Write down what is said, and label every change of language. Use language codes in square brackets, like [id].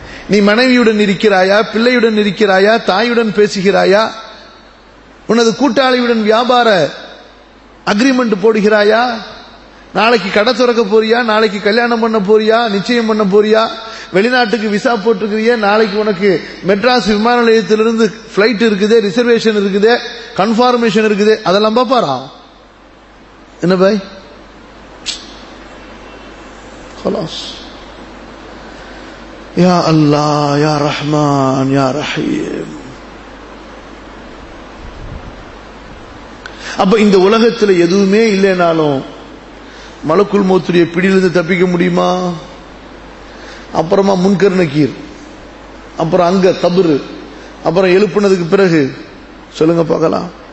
[ta] நீ மனைவியுடன் இருக்கிறாயா, பிள்ளையுடன் இருக்கிறாயா, தாயுடன் பேசுகிறாயா, உனது கூட்டாளியுடன் வியாபார அக்ரிமெண்ட் போடுகிறாயா, நாளைக்கு கடை திறக்க போறியா, நாளைக்கு கல்யாணம் பண்ண போறியா, நிச்சயம் பண்ண போறியா, வெளிநாட்டுக்கு விசா போட்டிருக்கிறியே, நாளைக்கு உனக்கு மெட்ராஸ் விமான நிலையத்திலிருந்து பிளைட் இருக்குதே, ரிசர்வேஷன் இருக்குதே, கன்ஃபார்மேஷன் இருக்குதே, அதெல்லாம் பாப்பாரா? என்ன பாய், [ar] خلاص يا الله يا رحمن يا رحيم. [ta] அப்ப இந்த உலகத்தில் எதுவுமே இல்லைனாலும் மலக்குள் மௌத்துடைய பிடியிலிருந்து தப்பிக்க முடியுமா? அப்புறமா முன்கர்ணக்கீர், அப்புறம் அங்க கபரு, அப்புறம் எழுப்பினதுக்கு பிறகு சொல்லுங்க பார்க்கலாம்.